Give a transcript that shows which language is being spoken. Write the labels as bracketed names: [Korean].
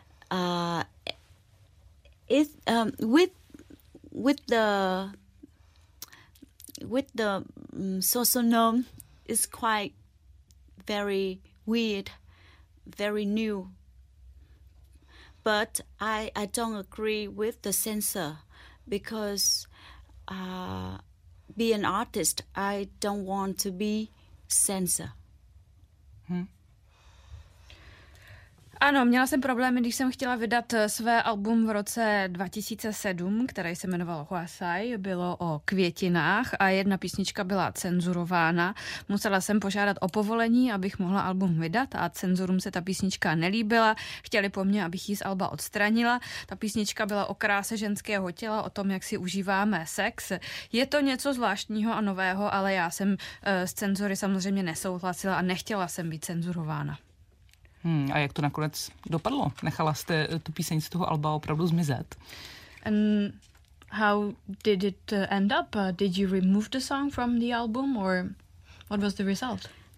[English] With the social norm is quite very weird, very new. But I don't agree with the censor, because be an artist, I don't want to be censor. [Czech] Ano, měla jsem problémy, když jsem chtěla vydat své album v roce 2007, které se jmenovalo Huasai, bylo o květinách a jedna písnička byla cenzurována. Musela jsem požádat o povolení, abych mohla album vydat, a cenzurům se ta písnička nelíbila. Chtěli po mně, abych ji z alba odstranila. Ta písnička byla o kráse ženského těla, o tom, jak si užíváme sex. Je to něco zvláštního a nového, ale já jsem s cenzury samozřejmě nesouhlasila a nechtěla jsem být cenzurována. A jak to nakonec dopadlo? Nechala jste tu píseň z toho alba opravdu zmizet? [English] And how did it end up? Did you remove the song from the album, or what was the result?